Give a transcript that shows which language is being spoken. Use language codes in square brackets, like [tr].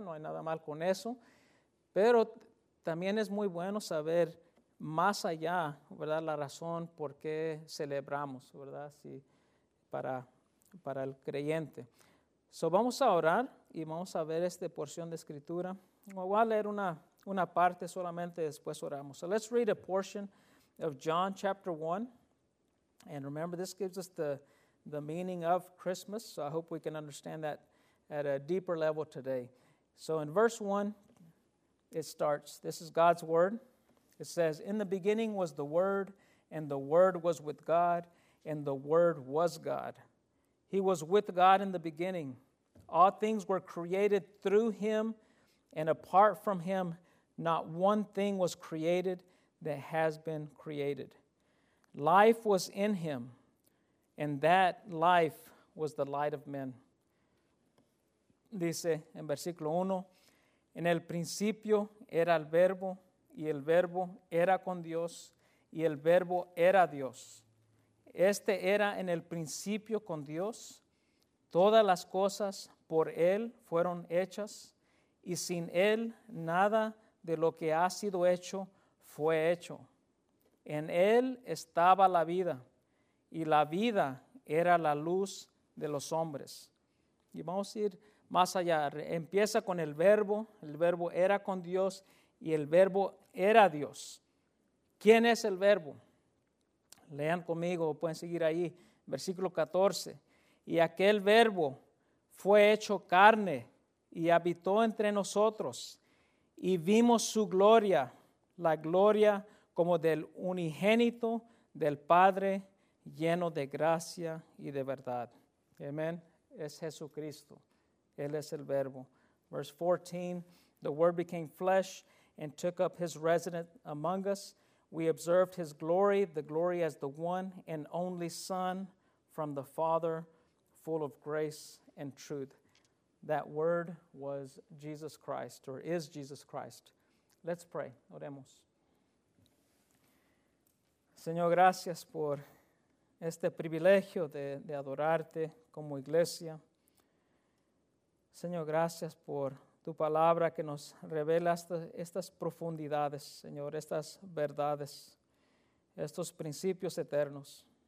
[es] No hay nada mal con eso. Pero también es muy bueno saber más allá, ¿verdad? La razón por qué celebramos, ¿verdad? Sí, para el creyente. So, vamos a orar y vamos a ver esta porción de escritura. Voy a leer una parte solamente, después oramos. [en] So, let's read a portion of John chapter 1. And remember, this gives us the meaning of Christmas. So, I hope we can understand that at a deeper level today. So, in verse 1, it starts, this is God's word. It says, in the beginning was the word, and the word was with God, and the word was God. He was with God in the beginning. All things were created through him, and apart from him, not one thing was created that has been created. Life was in him, and that life was the light of men. [es] Dice en versículo 1, en el principio era el verbo, y el verbo era con Dios, y el verbo era Dios. Este era en el principio con Dios. Todas las cosas por él fueron hechas, y sin él nada de lo que ha sido hecho fue hecho. En él estaba la vida, y la vida era la luz de los hombres. Y vamos a ir más allá. Empieza con el verbo era con Dios y el verbo era Dios. ¿Quién es el verbo? Lean conmigo, pueden seguir ahí, versículo 14. Y aquel verbo fue hecho carne y habitó entre nosotros y vimos su gloria, la gloria como del unigénito del Padre, lleno de gracia y de verdad. Amén. Es Jesucristo. Él es el verbo. [en] Verse 14, the word became flesh and took up his residence among us. We observed his glory, the glory as the one and only Son from the Father, full of grace and truth. That word was Jesus Christ, or is Jesus Christ. Let's pray. [es] Oremos. Señor, gracias por este privilegio de adorarte como iglesia. Señor, gracias por tu palabra que nos revela estas profundidades, Señor, estas verdades, estos principios eternos.